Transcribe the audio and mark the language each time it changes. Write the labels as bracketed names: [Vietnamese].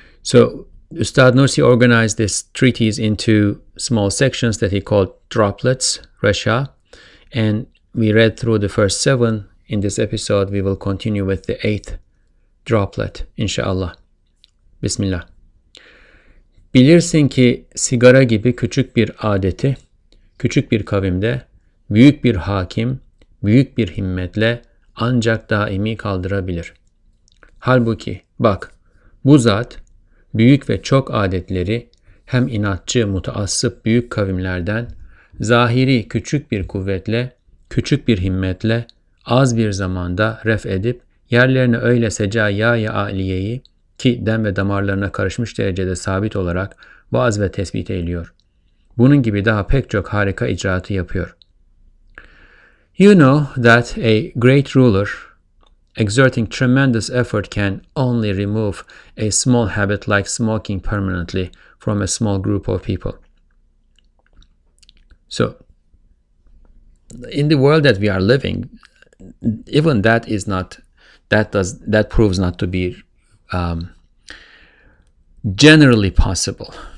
[English] So Ustad Nursi organized this treatise into small sections that he called droplets, Rasha. And we read through the first seven. In this episode, we will continue with the eighth droplet, inshallah. Bismillah. [Turkish] Bilirsin ki sigara gibi küçük bir adeti, küçük bir kavimde, büyük bir hakim, büyük bir himmetle ancak daimi kaldırabilir. Halbuki bak, bu zat büyük ve çok adetleri hem inatçı, mutaassıp büyük kavimlerden zahiri küçük bir kuvvetle, küçük bir himmetle az bir zamanda ref edip yerlerine öyle secaya-i aliyeyi ki dem ve damarlarına karışmış derecede sabit olarak vaaz ve tesbit ediyor. Bunun gibi daha pek çok harika icraatı yapıyor. [English] You know that a great ruler exerting tremendous effort can only remove a small habit like smoking permanently from a small group of people. So, in the world that we are living, even that is not, that proves not to be generally possible.